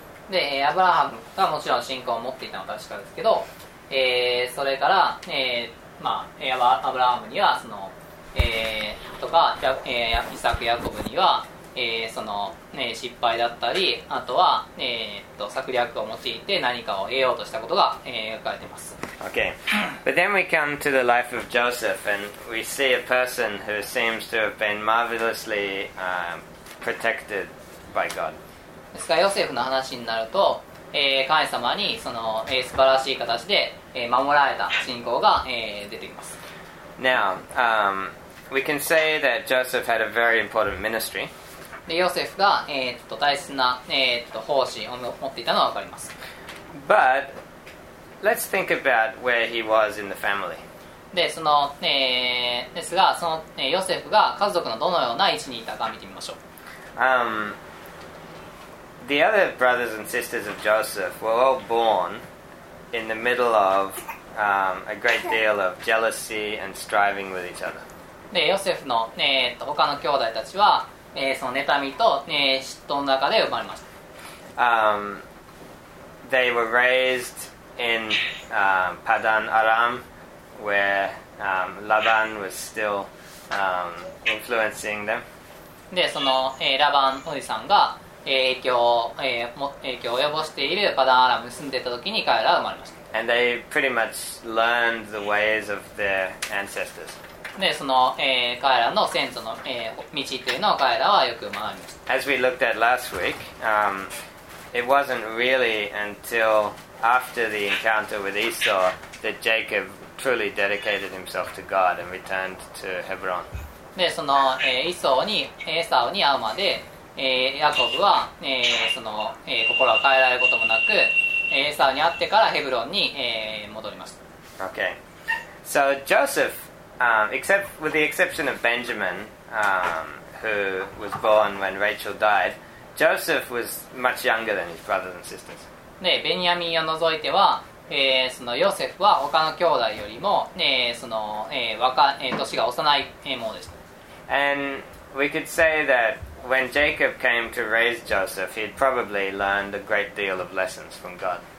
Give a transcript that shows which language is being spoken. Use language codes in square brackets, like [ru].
[ja] で、アブラハムがもちろん信仰を持っていたのは確かですけど、それから、まあ、アブラハムにはその、とか、イサク・ヤコブには、その、失敗だったり、あとは、策略を用いて何かを得ようとしたことが、書かれています。 [en] Okay. But then we come to the life of Joseph and we see a person who seems to have been marvelously protected by God. [ja] ですからヨセフの話になると、神様にその、素晴らしい形で、守られた信仰が、出てきます。 [en] Now, we can say that Joseph had a very important ministry. [ja] でヨセフが、大切な、奉仕を持っていたのはわかります。 [en] But let's think about where he was in the family. [ja] でその、ですがその、ヨセフが家族のどのような位置にいたか見てみましょう。 [en] The other brothers and sisters of Joseph were all born in the middle of a great deal of jealousy and striving with each other. [ja] で、ヨセフの、他の兄弟たちは、その妬みと、嫉妬の中で生まれました。 [en] They were raised in Padan Aram, where Laban was still influencing them. [ja] でそのラバンおじさんが影響を及ぼしているパダンアラムに住んでいた時に彼らは生まれました。 [en] And they pretty much learned the ways of their ancestors. [ja] でその、彼らの先祖の、道というのを彼らはよく学びました。 [en] As we looked at last week, it wasn't really until after the encounter with Esau that Jacob truly dedicated himself to God and returned to Hebron. [ja] でそのエサオに会うまで、ヤコブは、その、心を変えられることもなくエサオに会ってからヘブロンに、戻りました。 [en] Okay. So Joseph, except with the exception of Benjamin, who was born when Rachel died, Joseph was much younger than his brothers and sisters. [ja] でベニヤミンを除いてはそのヨセフは他の兄弟よりも、その、年が幼いものでした。 [en] And we could say that when Jacob came to raise Joseph, he'd probably learned a great deal of lessons from God.